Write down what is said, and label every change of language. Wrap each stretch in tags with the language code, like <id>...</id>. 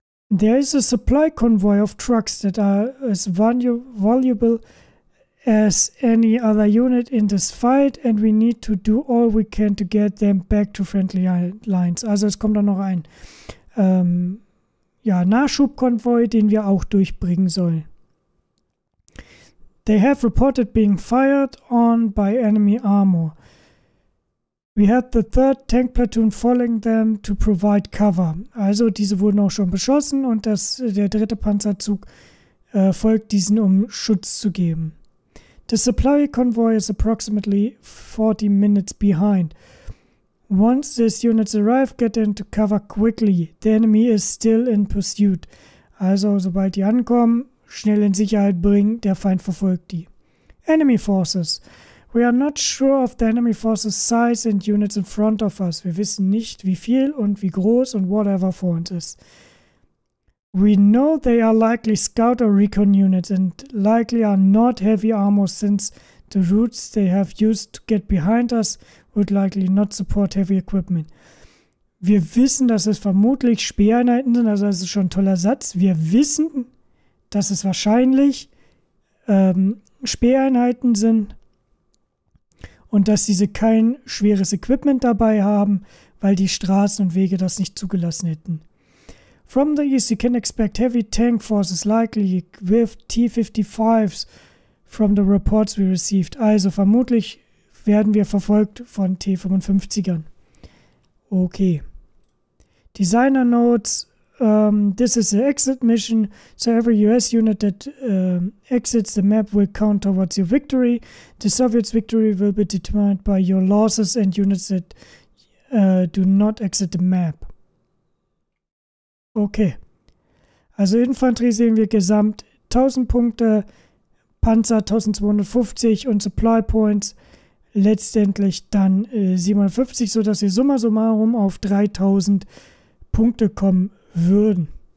<en>There is a supply convoy of trucks that are as valuable as any other unit in this fight and we need to do all we can to get them back to friendly lines.</en> <de>Also es kommt dann noch ein Nachschubkonvoi, den wir auch durchbringen sollen.</de> <en>They have reported being fired on by enemy armor. We had the 3rd Tank Platoon following them to provide cover.</en> <de>Also diese wurden auch schon beschossen und das, der dritte Panzerzug folgt diesen, um Schutz zu geben.</de> <en>The supply convoy is approximately 40 minutes behind. Once these units arrive, get into cover quickly. The enemy is still in pursuit.</en> <de>Also sobald die ankommen, schnell in Sicherheit bringen, der Feind verfolgt die.</de> <en>Enemy forces. We are not sure of the enemy forces size and units in front of us.</en> <de>Wir wissen nicht, wie viel und wie groß und whatever vor uns ist.</de> <en>We know they are likely scout or recon units and likely are not heavy armor since the routes they have used to get behind us would likely not support heavy equipment.</en> <de>Wir wissen, dass es vermutlich Speereinheiten sind, also das ist schon ein toller Satz. Wir wissen, dass es wahrscheinlich Speereinheiten sind und dass diese kein schweres Equipment dabei haben, weil die Straßen und Wege das nicht zugelassen hätten.</de> <en>From the east, you can expect heavy tank forces, likely with T-55s from the reports we received.</en> <de>Also vermutlich werden wir verfolgt von T-55ern.</de> <en>Okay. Designer Notes. This is the exit mission, so every US unit that exits the map will count towards your victory. The Soviets' victory will be determined by your losses and units that do not exit the map.</en> <de>Okay, also Infanterie sehen wir gesamt 1000 Punkte, Panzer 1250 und Supply Points letztendlich dann 750, sodass wir summa summarum auf 3000 Punkte kommen würden.</de>